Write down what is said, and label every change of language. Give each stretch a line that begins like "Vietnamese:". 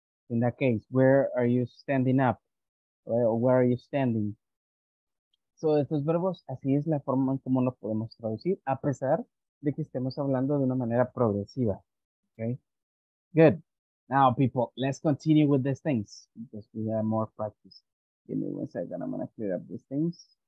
English: In that case, where are you standing up? Or where are you standing?
Spanish: So, estos verbos, así es la forma en cómo los podemos traducir, a pesar de que estemos hablando de una manera progresiva.
English: Okay? Good. Now, people, let's continue with these things because we have more practice. Give me one second, I'm going to clear up these things.